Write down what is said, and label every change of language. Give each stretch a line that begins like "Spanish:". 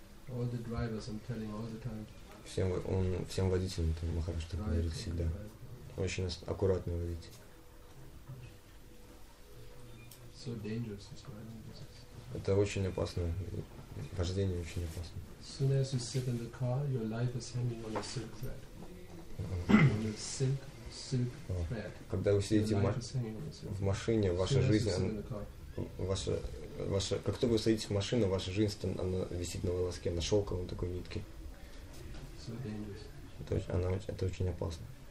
English: All the drivers, I'm telling all the time.
Russian: Всем водителям там Махарадж так говорит всегда. Очень аккуратно водить.
English: So dangerous this driving business.
Russian: Это очень опасно. Вождение очень опасно.
English: As soon as you sit in the car, your life is hanging on a silk thread. On a silk thread.
Russian: Когда вы сидите в машине, ваша жизнь, ваша, как только вы садитесь в машину, ваша жизнь она висит на волоске, на шелковом такой нитке. Это очень опасно.